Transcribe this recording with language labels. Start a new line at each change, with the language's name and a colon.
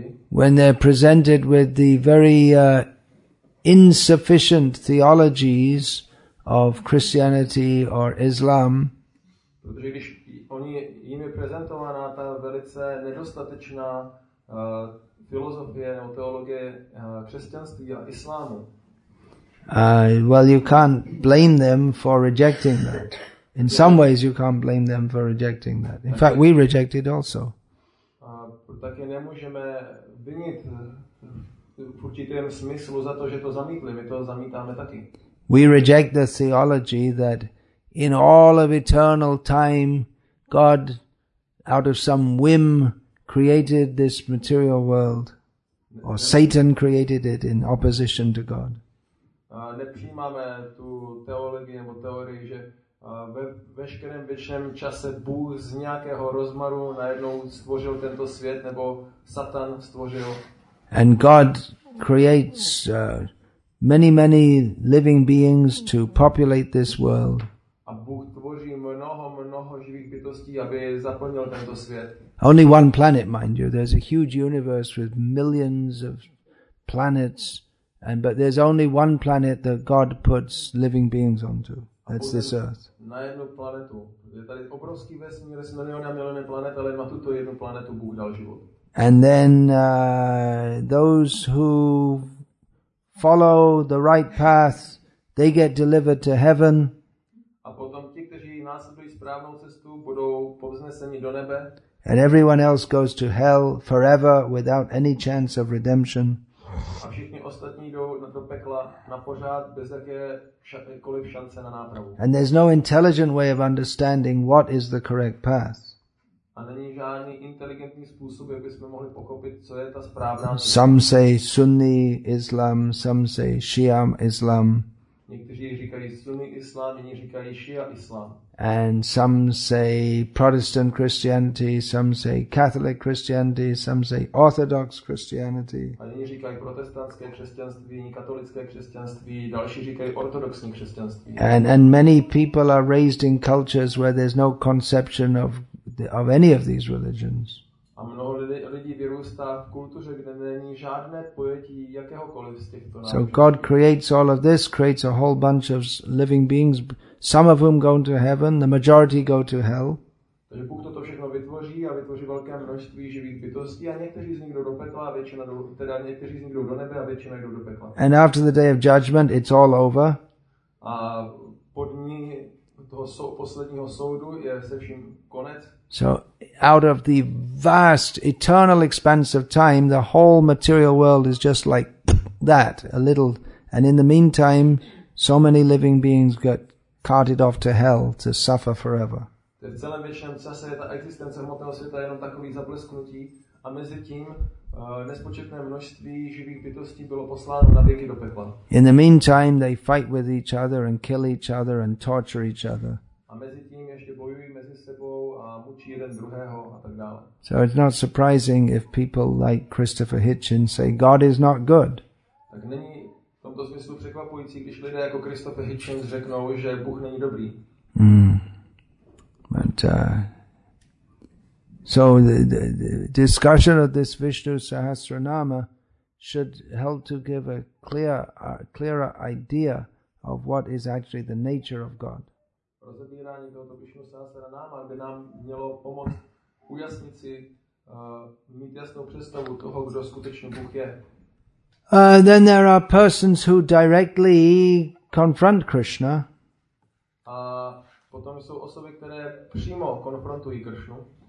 English: When they're presented with the very insufficient theologies of Christianity or Islam,
Czech: oni jim je prezentovaná ta velice nedostatečná filozofie nebo teologie křesťanství a islámu.
English: Well, you can't blame them for rejecting that. In some ways you can't blame them for rejecting that. In fact, we reject it also.
Czech: Taky nemůžeme vinit v určitém smyslu za to, že to zamítli. My to zamítáme taky.
English: We reject the theology that in all of eternal time God, out of some whim, created this material world, or Satan created it in opposition to God.
Czech: Nepřijímáme tu teologii nebo teorii, že ve veškerém věčném čase Bůh z nějakého rozmaru najednou stvořil tento svět, nebo Satan stvořil.
English: And God creates many living beings to populate this world.
Czech: A Bůh tvoří mnoho živých bytostí, aby zaplnil tento svět.
English: Only one planet, mind you. There's a huge universe with millions of planets, but there's only one planet that God puts living beings onto. That's this Earth.
Czech: Na jednu planetu. Je tady obrovský vesmír s miliony a miliony planet, ale na tuto jednu planetu Bůh dal život.
English: And then those who follow the right path, they get delivered to heaven.
Czech: A potom ti, kteří následují správnou cestu, budou povzneseni do nebe.
English: And everyone else goes to hell forever without any chance of redemption.
Czech: A všichni ostatní jdou do pekla na pořád bez jakékoliv šance na nápravu.
English: And there's no intelligent way of understanding what is the correct path.
Czech: A není žádný inteligentní způsob, jak bychom mohli pochopit, co je ta správná.
English: Some say Sunni Islam, some say Shia Islam.
Czech: Někteří říkají Sunni Islám, jiní říkají Shia Islám.
English: And some say Protestant Christianity, some say Catholic Christianity, some say Orthodox Christianity.
Czech: A jiní říkají protestantské křesťanství, jiní katolické křesťanství, další říkají ortodoxní křesťanství.
English: And many people are raised in cultures where there's no conception of any of these religions.
Czech: A mnoho lidí vyrůstá v kultuře, kde není žádné pojetí jakéhokoliv z těchto náboženství.
English: So God creates all of this, creates a whole bunch of living beings, some of whom go to heaven, the majority go to hell.
Czech: Takže Bůh toto všechno vytvoří a vytvoří velké množství živých bytostí a někteří z nich jdou do pekla, a většina jdou, teda někteří z nich jdou do nebe a většina jdou do pekla.
English: And after the day of judgment, it's all over.
Czech: A po dní toho posledního soudu je se vším konec.
English: So out of the vast eternal expanse of time, the whole material world is just like that, a little. And in the meantime, so many living beings get carted off to hell to suffer forever.
Czech: V celém věčném čase je ta existence hmotného světa jenom takový zaplesknutí a mezi tím nespočetné množství živých bytostí bylo posláno na věky do pekla.
English: In the meantime, they fight with each other and kill each other and torture each other.
Czech: A mezi tím ještě bojují mezi sebou a mučí jeden druhého a tak dále.
English: So it's not surprising if people like Christopher Hitchens say God is not good.
Czech: Tak není v tomto smyslu překvapující, když lidé jako Christopher Hitchens řeknou, že Bůh není dobrý.
English: So the discussion of this Vishnu Sahasranama should help to give a clearer idea of what is actually the nature of God.
Czech: Rozebírání tohoto Vishnu Sahasranama by nám mělo pomoct ujasnit si, mít jasnou představu toho, kdo skutečně Bůh je.
English: Then there are persons who directly confront Krishna.
Czech: A potom jsou osoby, které přímo konfrontují Krishnu.